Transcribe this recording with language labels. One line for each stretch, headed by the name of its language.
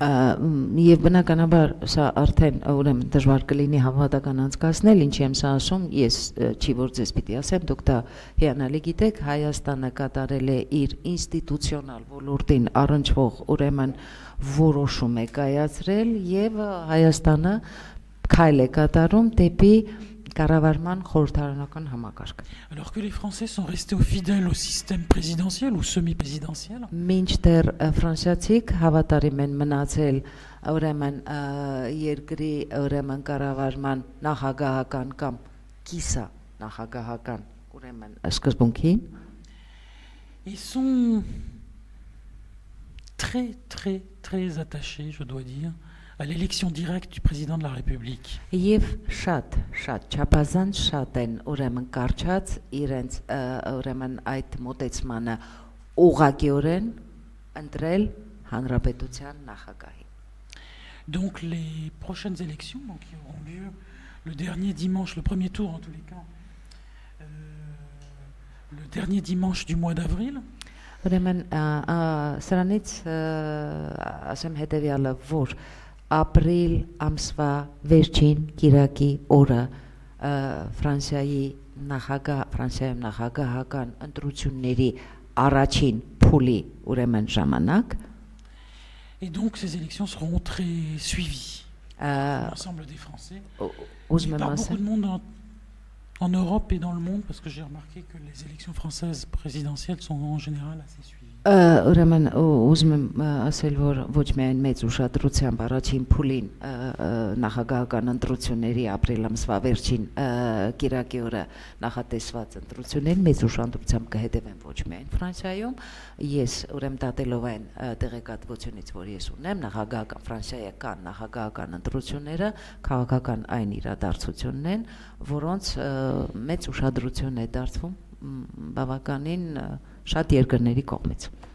Armenian: Եվ բնականաբար սա արդեն ուրեմն դժվար կլինի հավատական անցկացնել, ինչի եմ սա ասում, ես չի որ ձեզ պիտի ասեմ, դուք դա հիանալի գիտեք, Հայաստանը կատարել է իր ինստիտուցիոնալ ոլորտին առնչվող ուրեմն որոշում է կայացրել եւ Հայաստանը քայլ է կատարում դեպի կառավարման խորհրդարանական համակարգ։
French: Alors que les Français sont restés fidèles au système présidentiel ou semi-présidentiel.
Armenian: Մինչդեռ ֆրանսիացիք հավատարիմ են մնացել ուրեմն երկրի ուրեմն կառավարման նախագահական կամ կիսա նախագահական ուրեմն սկզբունքին։
French: Ils sont très très très attachés, je dois dire, à l'élection directe du président de la République.
Armenian: Եվ շատ, շատ, չափազան շատ են ուրեմն կարճած իրենց ուրեմն այդ մտածմանը ուղղակիորեն ընտրել հանրապետության նախագահին.
French: Donc les prochaines élections qui auront lieu le dernier dimanche, le premier tour en tous les cas, le dernier dimanche du mois d'avril.
Armenian: Ուրեմն սրանից ասեմ հետևյալը, որ ապրիլ ամսվա վերջին կիրակի օրը Ֆրանսիայի նախագահ Ֆրանսիայում նախագահական ընտրությունների առաջին փուլի ուրեմն ժամանակ
French: et donc ces élections seront très suivies ensemble des Français
Armenian: ուզում եմ ասել
French: beaucoup de monde en Europe et dans le monde parce que j'ai remarqué que les élections françaises présidentielles sont en général assez suivies.
Armenian: Ուրեմն ուզում եմ ասել, որ ոչ միայն մեծ ուշադրությամբ առաջին փուլին նախագահական ընտրությունների ապրիլ ամսվա վերջին կիրակի օրը նախատեսված ընտրություններին մեծ ուշադրությամբ կհետևեմ ոչ միայն Ֆրանսիայում, ես ուրեմն դատելով այն տեղեկատվությունից, որ ես ունեմ, նախագահական Ֆրանսիայի կան նախագահական ընտրությունները, քաղաքական այն իրադարձությունն են, որոնց մեծ ուշադրություն է դարձվում բավականին շատ երկրների կողմից։